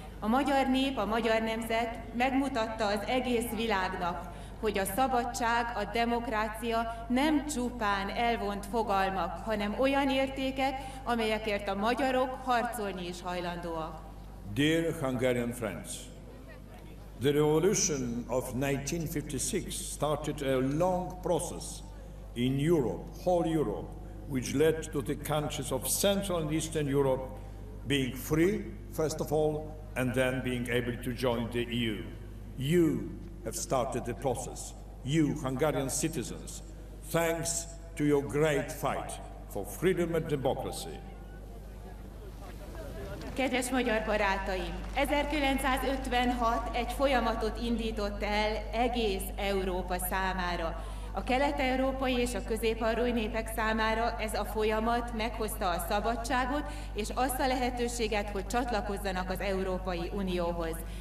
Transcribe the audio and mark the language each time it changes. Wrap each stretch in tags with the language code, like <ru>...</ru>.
<hu>A magyar nép, a magyar nemzet megmutatta az egész világnak, hogy a szabadság, a demokrácia nem csupán elvont fogalmak, hanem olyan értékek, amelyekért a magyarok harcolni is hajlandóak.</hu> <en>Dear Hungarian friends, the revolution of 1956 started a long process in Europe, whole Europe, which led to the countries of Central and Eastern Europe being free, first of all, and then being able to join the EU. You have started the process. You, Hungarian citizens, thanks to your great fight for freedom and democracy.</en> <hu>Kedves magyar barátaim, 1956 egy folyamatot indított el egész Európa számára. A kelet-európai és a közép-arói népek számára ez a folyamat meghozta a szabadságot és azt a lehetőséget, hogy csatlakozzanak az Európai Unióhoz.</hu>